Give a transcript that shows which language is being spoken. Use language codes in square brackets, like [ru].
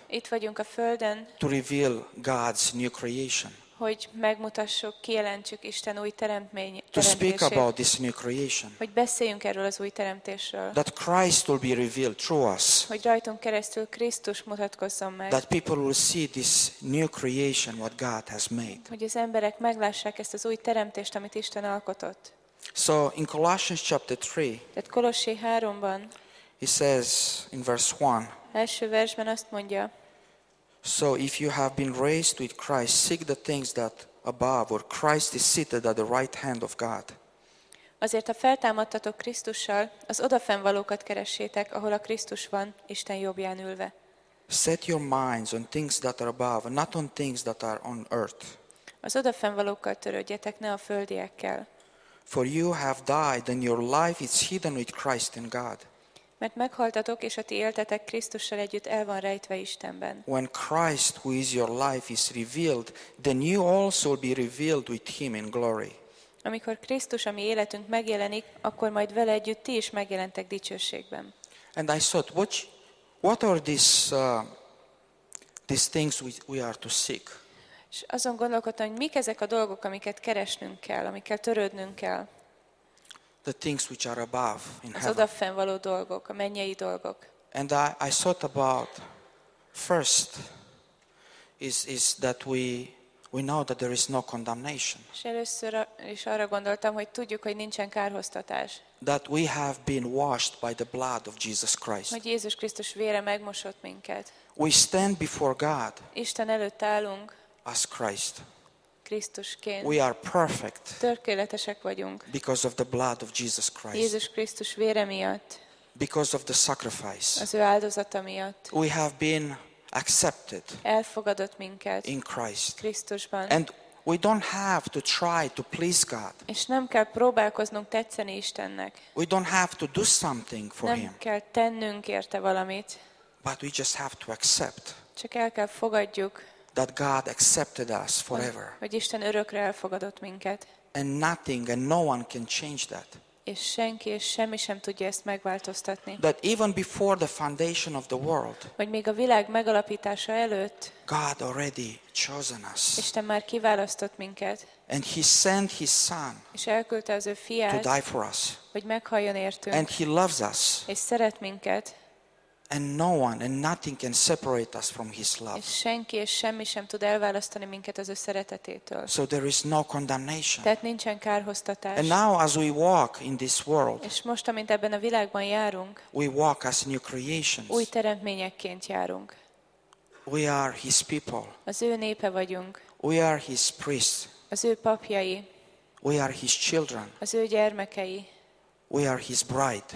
[hu] Itt vagyunk a földön. [en] To reveal God's new creation. [hu] Hogy megmutassuk, kijelentsük Isten új teremtését. [en] To speak about this new creation. [hu] Hogy beszéljünk erről az új teremtésről. [en] That Christ will be revealed through us. [hu] Hogy rajtunk keresztül Krisztus mutatkozzon meg. [en] That people will see this new creation what God has made. [hu] Hogy az emberek meglássák ezt az új teremtést, amit Isten alkotott. [en] So in Colossians chapter 3. [hu] Tehát Kolossi 3-ban. [en] He says in verse 1. [hu] Első versben azt mondja. [en] So if you have been raised with Christ, seek the things that above, where Christ is seated at the right hand of God. [hu] Azért ha feltámadtatok Krisztussal, az odafennvalókat keressétek, ahol a Krisztus van, Isten jobbján ülve. [en] Set your minds on things that are above, not on things that are on earth. [hu] Az odafennvalókkal törődjetek, ne a földiekkel. [en] For you have died, and your life is hidden with Christ in God. [hu] Mert meghaltatok, és a ti éltetek Krisztussal együtt el van rejtve Istenben. [en] When Christ, who is your life, is revealed, then you also will be revealed with him in glory. [hu] Amikor Krisztus, ami életünk megjelenik, akkor majd vele együtt ti is megjelentek dicsőségben. [en] And I thought, what are these things we are to seek? [hu] És azon gondolkodtam, hogy mik ezek a dolgok, amiket keresnünk kell, amikkel törődnünk kell. [en] The things which are above in heaven. [hu] Az odafennvaló dolgok, a mennyei dolgok. [en] And I thought about First is that we know that there is no condemnation. [hu] És először is arra gondoltam, hogy tudjuk, hogy nincsen kárhoztatás. [en] That we have been washed by the blood of Jesus Christ. [hu] Hogy Jézus Krisztus vére megmosott minket. [en] We stand before God. [hu] Isten előtt állunk. [en] As Christ. [hu] Krisztusként. [en] We are perfect. [hu] Tökéletesek vagyunk. [en] Because of the blood of Jesus Christ. [hu] Jézus Krisztus vére miatt. [en] Because of the sacrifice. [hu] Az ő áldozata miatt. [en] We have been accepted. [hu] Elfogadott minket. [en] In Christ. [hu] Krisztusban. [en] And we don't have to try to please God. [hu] És nem kell próbálkoznunk tetszeni Istennek. [en] We don't have to do something for him. [hu] Nem kell tennünk érte valamit. [en] But we just have to accept. [hu] Csak el kell fogadjuk. [en] That God accepted us forever. [hu] Hogy Isten örökre elfogadott minket. [en] And nothing and no one can change that. [hu] És senki és semmi sem tudja ezt megváltoztatni. [en] That even before the foundation of the world. [hu] Hogy még a világ megalapítása előtt. [en] God already chosen us. [hu] Isten már kiválasztott minket. [en] And he sent his son. [hu] És elküldte az ő fiát. [en] To die for us. [hu] Hogy meghaljon értünk. [en] And he loves us. [hu] És szeret minket. [en] And no one and nothing can separate us from his love. [hu] És senki és semmi sem tud elválasztani minket az ő szeretetétől. [en] So there is no condemnation. [hu] Tehát nincsen kárhoztatás. [en] And now as we walk in this world. [hu] És most amint ebben a világban járunk. [en] We walk as new creations. [hu] Új teremtményekként járunk. [en] We are his people. [hu] Az ő népe vagyunk. [en] We are his priests. [hu] Az ő papjai. [en] We are his children. [hu] Az ő gyermekei. [en] We are his bride.